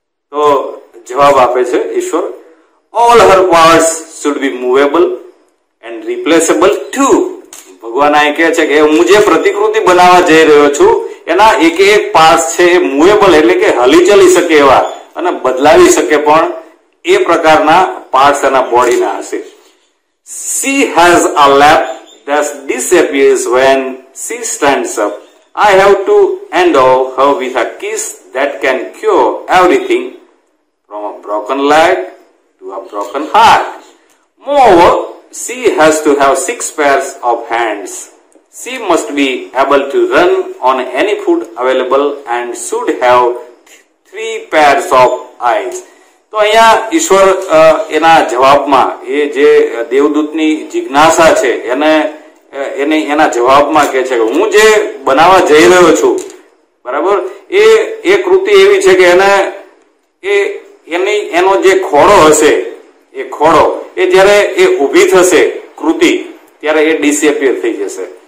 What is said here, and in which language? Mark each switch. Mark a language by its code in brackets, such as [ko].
[gu] તો જવાબ આપે છે ઈશ્વર, [en] "All her parts should be movable and replaceable too." [gu] ભગવાન આ કહે છે કે હું જે પ્રતિકૃતિ બનાવવા જઈ રહ્યો છું એના એક એક પાર્ટ છે એ મૂવેબલ એટલે કે હલી ચલી શકે એવા અને બદલાવી શકે પણ એ પ્રકારના પાર્ટસ એના બોડીના હશે. [en] "She has a lap that disappears when she stands up. I have to endow her with a kiss that can cure everything from a broken leg to a broken heart. Moreover, she has to have 6 pairs of hands. She must be able to run on any food available and should have 3 pairs of eyes." [gu] તો અહીંયા ઈશ્વર એના જવાબમાં એ જે દેવદૂતની જિજ્ઞાસા છે એને એને એના જવાબમાં કહે છે કે હું જે બનાવવા જઈ રહ્યો છું બરાબર એ એ કૃતિ એવી છે કે એને એ એની એનો જે ખોળો હશે એ ખોળો એ જ્યારે એ ઊભી થશે કૃતિ ત્યારે એ ડિસએપિયર થઈ જશે.